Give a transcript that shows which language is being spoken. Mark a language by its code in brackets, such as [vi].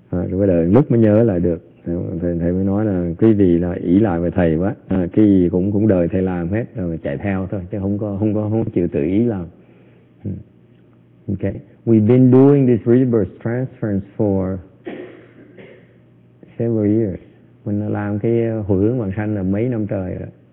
[vi] Rồi bây giờ lúc mới nhớ lại được. Thầy mới nói là quý vị là ỷ lại về thầy quá, cái gì cũng đời thầy làm hết rồi chạy theo thôi, chứ không chịu tự ý làm. [en] Okay, we've been doing this rebirth transference for several years. [vi] Mình làm cái hồi hướng vãng sanh là mấy năm trời rồi.